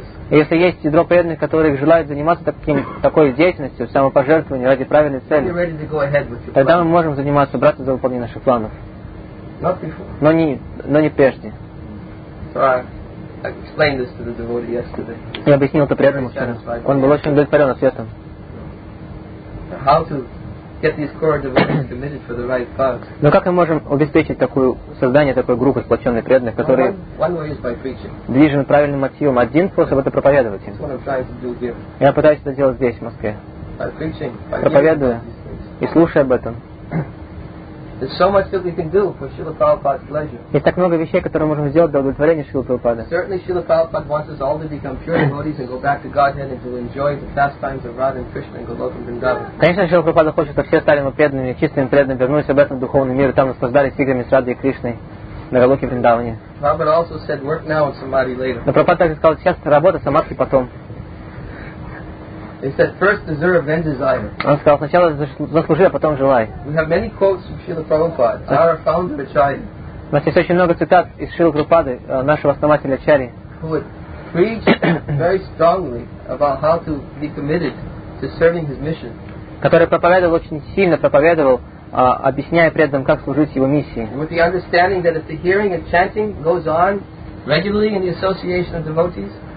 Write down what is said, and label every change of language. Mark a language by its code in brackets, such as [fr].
[ru] Если есть ядро преданных, которые желают заниматься такой деятельностью, самопожертвованием ради правильной цели, тогда мы можем заниматься, браться за выполнение наших планов. Но не прежде. [en] Так. explained this to the devotee yesterday. [ru] Я объяснил это преданному вчера. Он был очень удовлетворен ответом. [en] How to get these core devotees committed for the right cause? [ru] Но как мы можем обеспечить такое создание такой группы сплоченных преданных, которые движены правильным мотивом? Один способ — это проповедовать им. Я пытаюсь это делать здесь, в Москве. Проповедуя и слушая об этом. [en] There's so much that we can do for Srila Prabhupada's pleasure. [ru] Есть так много вещей, которые можем сделать для удовлетворения Шрилы Прабхупады. [en] Certainly, Srila Prabhupada wants us all to become pure devotees and go back to Godhead and to enjoy the pastimes of Radha and Krishna and Goloka Vrindavan. [ru] Конечно, Шрила Прабхупада хочет, чтобы все стали преданными, чистыми преданными, вернулись обратно в духовный мир и там наслаждались играми с Радой и Кришной на Голоке Вриндаване. [en] Prabhupada also said, work now and samadhi later. [ru] Но Прабхупада также сказал, сейчас работа, самадхи потом. [en] He said, first deserve, then desire. [ru] Он сказал, сначала заслужи, а потом желай. [en] We have many quotes from Srila Prabhupada, our founder Acharya. [ru] У нас есть очень много цитат из Шрилы Прабхупады, нашего основателя Ачарьи. [en] Who would preach very strongly about how to be committed to serving his mission. [ru] Который проповедовал очень сильно, проповедовал, объясняя преданным, как служить его миссии. [en] With the understanding that if the hearing and chanting goes on regularly in the association of devotees.